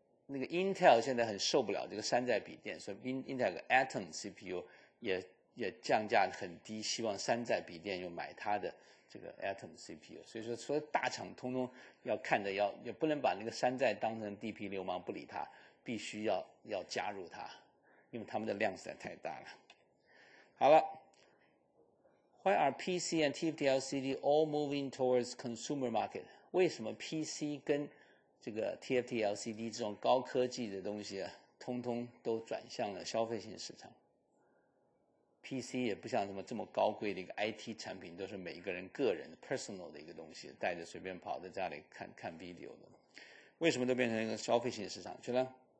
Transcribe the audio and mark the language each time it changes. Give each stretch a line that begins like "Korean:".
Chinese: 那个 Intel 现在很受不了这个山寨笔电，所以 Intel 的 Atom CPU 也降价很低，希望山寨笔电又买它的这个 Atom CPU。所以说所有大厂通通要看着，要也不能把那个山寨当成地痞流氓不理它，必须要加入它，因为他们的量实在太大了。好了，
English: Why are PC and TFT LCD all moving towards consumer market？
Chinese: 为什么 PC 跟这个 TFT LCD 这种高科技的东西，通通都转向了消费性市场？ PC 也不像什么这么高贵的一个 IT 产品，都是每一个人个人 personal 的一个东西，带着随便跑，在家里看看 video 的，为什么都变成一个消费性市场去了？